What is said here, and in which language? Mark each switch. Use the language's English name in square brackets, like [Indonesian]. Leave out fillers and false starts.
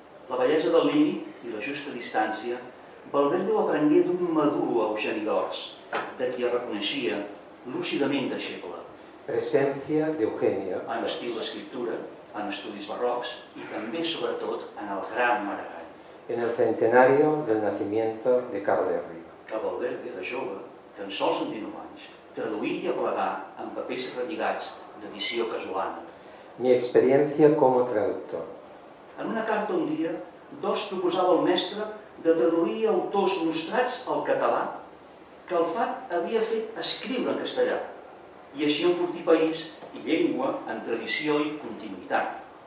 [Catalan] La bellesa del límit i la justa distància, Valverde ho aprengué d'un madur Eugeni d'Ors, de qui reconeixia lúcidament deixeble. Presència d'Eugenia. En estil d'escriptura, en estudis barrocs i també, sobretot, en el gran Maragall. [Spanish] En el centenario del nacimiento de Carles Riba. [Catalan] Que Valverde, de jove, tan sols en 19 anys, traduir i aplegar en papers relligats d'edició casolana. [Spanish] Mi experiencia como traductor. [Catalan] En una carta un dia, Dors proposava al mestre de traduir autors nostrats al català que el fat havia fet escriure en castellà i així enfortir país i llengua en tradició i continuïtat.